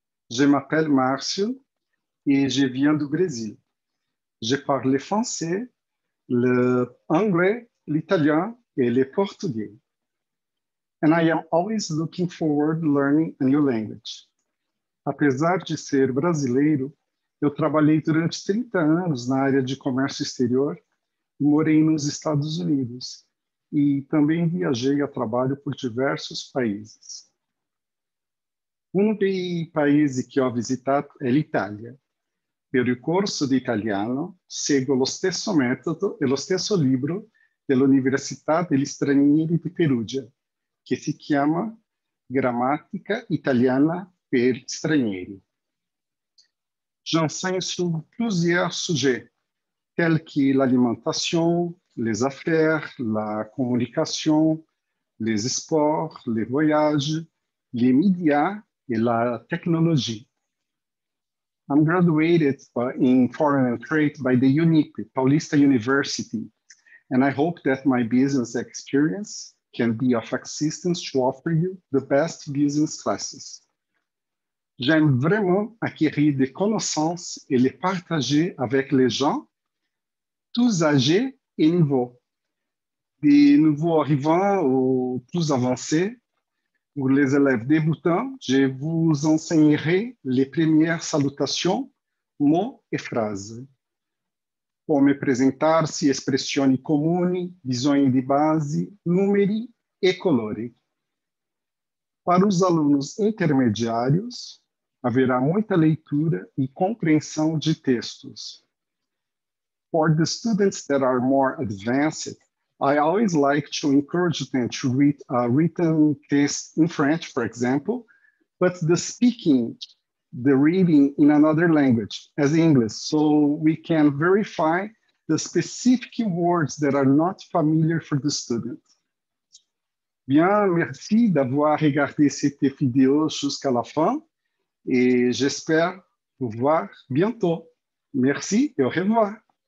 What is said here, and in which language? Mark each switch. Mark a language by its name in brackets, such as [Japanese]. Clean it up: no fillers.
[French] Je m'appelle Márcio e je viens do Brasil. Je parle français, le anglais, l'italien et le portugais. [English] And I am always looking forward to learning a new language. [Portuguese] Apesar de ser brasileiro, eu trabalhei durante 30 anos na área de comércio exterior e morei nos Estados Unidos. E também viajei a trabalho por diversos países. Um dos países que [Italian] ho visitato [Portuguese] é l'Italia. [Italian] Per il corso di italiano seguo lo stesso metodo e lo stesso libro dell'Università degli Stranieri di Perugia, che si chiama Grammatica Italiana per Stranieri. [French] J'enseigne sur plusieurs sujets, tels que l'alimentation, les affaires, la communication, les sports, les voyages, les médias et la technologie. [English] I'm graduated in foreign trade by the UNIP, Paulista University, and I hope that my business experience can be of assistance to offer you the best business classes. [French] J'aime vraiment acquérir des connaissances et les partager avec les gens, tous âgés et nouveaux. De nouveaux arrivants ou plus avancés, ou les élèves débutants, je vous enseignerai les premières salutations, mots et phrases. Comme présenter-se, expressions communes, [Portuguese] visões de base, [Italian] numeri e colori. [Portuguese] Para os alunos intermediários, haverá muita leitura e compreensão de textos. [English] For the students that are more advanced, I always like to encourage them to read a written text in French, for example, but the speaking, the reading in another language, as English, so we can verify the specific words that are not familiar for the student. [French] Bien, merci d'avoir regardé cette vidéo jusqu'à la fin et j'espère vous voir bientôt. Merci et au revoir.